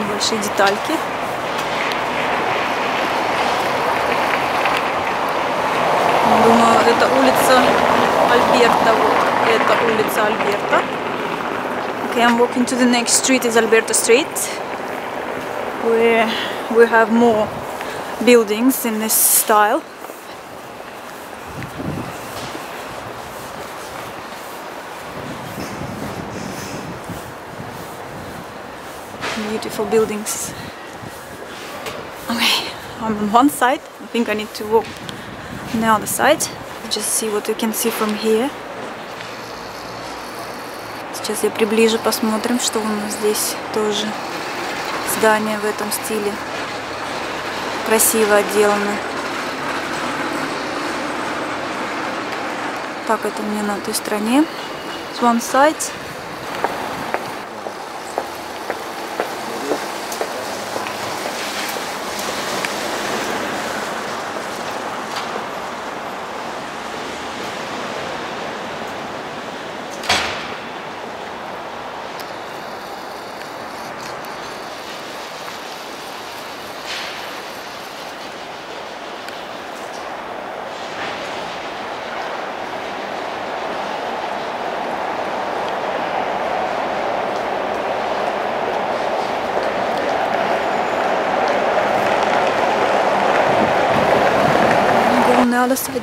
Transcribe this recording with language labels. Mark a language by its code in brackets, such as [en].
[ru] Детальки. Думаю, это улица Альберта. Вот это улица Альберта. [en] Okay, I'm walking to the next street. It's Alberta Street, where we have more buildings in this style. Beautiful buildings. Okay, I'm on one side. I think I need to walk on the other side. Just see what you can see from here. [ru] Сейчас я приближе посмотрим, что у нас здесь тоже. Здание в этом стиле. Красиво отделано. Так, это у меня на той стороне. [en] It's one side. Side,